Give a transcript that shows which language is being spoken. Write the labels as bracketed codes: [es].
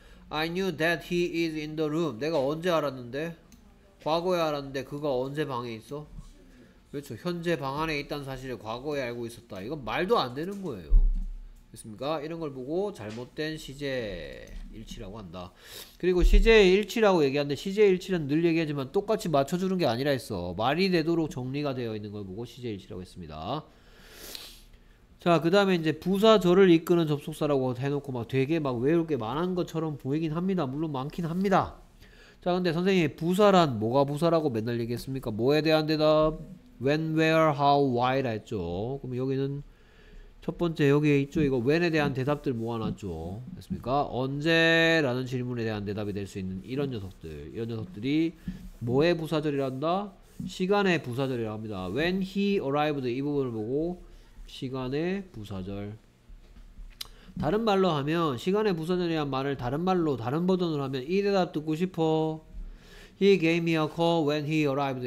[en] I knew that he is in the room. [ko] 내가 언제 알았는데? 과거에 알았는데 그가 언제 방에 있어? 그렇죠. 현재 방 안에 있다는 사실을 과거에 알고 있었다. 이건 말도 안 되는 거예요. 됐습니까? 이런 걸 보고 잘못된 시제 일치라고 한다. 그리고 시제 일치라고 얘기하는데 시제 일치는 늘 얘기하지만 똑같이 맞춰주는 게 아니라 했어. 말이 되도록 정리가 되어 있는 걸 보고 시제 일치라고 했습니다. 자, 그 다음에 이제 부사절을 이끄는 접속사라고 해놓고 막 되게 막 외울 게 많은 것처럼 보이긴 합니다. 물론 많긴 합니다. 자, 근데 선생님 부사란 뭐가 부사라고 맨날 얘기했습니까? 뭐에 대한 대답? When, where, how, why 라 했죠. 그럼 여기는 첫 번째 여기에 있죠. 이거 when에 대한 대답들 모아놨죠. 됐습니까? 언제? 라는 질문에 대한 대답이 될 수 있는 이런 녀석들. 이런 녀석들이 뭐의 부사절이란다? 시간의 부사절이라고 합니다. [en] When he arrived [ko] 이 부분을 보고 시간의 부사절. 다른 말로 하면 시간의 부사절이란 말을 다른 말로 다른 버전으로 하면 이 대답 듣고 싶어. [en] He gave me a call when he arrived.